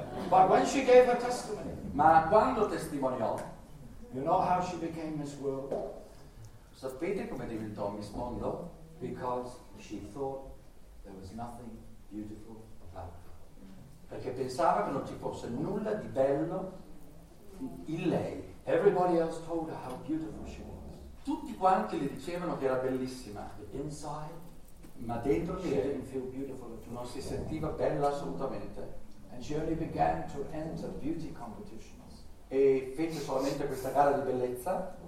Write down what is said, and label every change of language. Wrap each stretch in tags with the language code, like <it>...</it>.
<en>But when she gave her testimony,</en> <it>ma quando testimoniò,</it> <en>you know how she became Miss World?</en> <it>Sapete come diventò Miss Mondo?</it> <en>Because she thought there was nothing beautiful about her.</en> <it>Perché pensava che non ci fosse nulla di bello in lei.</it> <en>Everybody else told her how beautiful she was.</en> <it>Tutti quanti le dicevano che era bellissima.</it> <en>But inside,</en> <it>ma dentro</it> <en>she didn't feel beautiful at all.</en> <it>Non si sentiva bella assolutamente.</it> <en>And she only began to enter beauty competitions.</en> <it>E fece solamente questa gara di bellezza.</it>